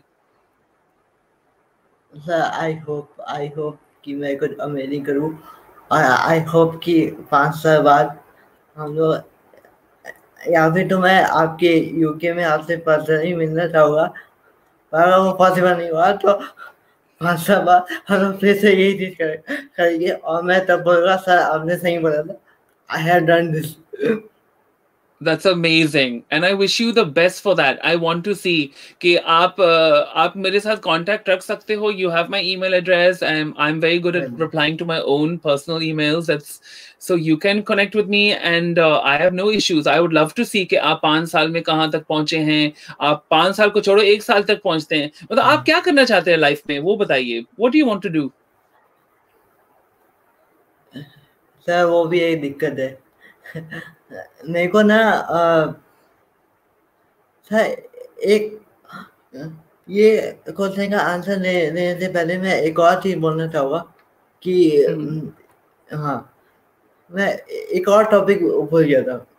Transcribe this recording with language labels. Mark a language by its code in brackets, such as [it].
[en] I hope [hi] कि मैं कुछ अमेजिंग करूं, और I hope कि 5 साल बाद हम लोग, या फिर तो मैं आपके यूके में आपसे पर्सनली मिलना चाहूँगा, पर वो पॉसिबल नहीं हुआ, तो 5 साल बाद हम लोग फिर से यही चीज करेंगे, और मैं तब बोलूँगा सर आपने सही बोला था, [en] I have done this. That's amazing, and I wish you the best for that. I want to see [hi] कि आप मेरे साथ contact रख सकते हो. [en] You have my email address, and I'm very good at replying to my own personal emails. That's so you can connect with me, and I have no issues. I would love to see [hi] कि आप 5 साल में कहाँ तक पहुँचे हैं. आप 5 साल को छोड़ो, 1 साल तक पहुँचते हैं. मतलब आप क्या करना चाहते हैं life में? वो बताइए. [en] What do you want to do? [hi] Sir वो भी एक दिक्कत है. मेरे को ना सर एक ये क्वेश्चन का आंसर लेने से पहले मैं एक और चीज बोलना चाहूँगा कि हाँ, मैं एक और टॉपिक भूल गया था.